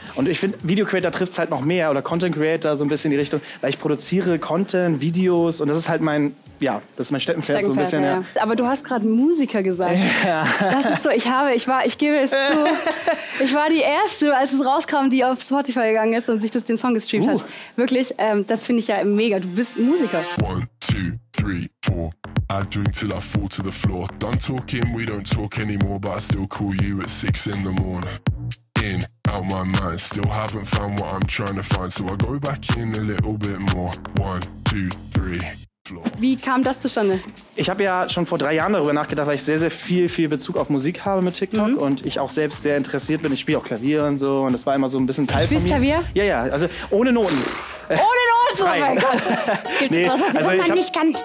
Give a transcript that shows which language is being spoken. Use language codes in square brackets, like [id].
[de] Und ich finde, Video-Creator trifft es halt noch mehr oder Content-Creator so ein bisschen in die Richtung, weil ich produziere Content, Videos und das ist halt mein, ja, das ist mein Steckenpferd so ein bisschen. Ja. Ja. Aber du hast gerade Musiker gesagt. Ja. Das ist so, ich war die Erste, als es rauskam, die auf Spotify gegangen ist und sich das den Song gestreamt hat. Wirklich, das finde ich ja mega, du bist Musiker. [en] 1, 2, 3, 4. I drink till I fall to the floor. Done talking, we don't talk anymore. But I still call you at 6 in the morning. In, out my mind. Still haven't found what I'm trying to find. So I go back in a little bit more. [de] 1, 2, 3. Wie kam das zustande? Ich habe ja schon vor 3 Jahren darüber nachgedacht, weil ich sehr, sehr viel Bezug auf Musik habe mit TikTok und ich auch selbst sehr interessiert bin. Ich spiele auch Klavier und so und das war immer so ein bisschen Teil von mir. Spielst Klavier? Ja, ja, also ohne Noten. Ohne Noten? Oh mein Gott. Gibt es was man nicht kann?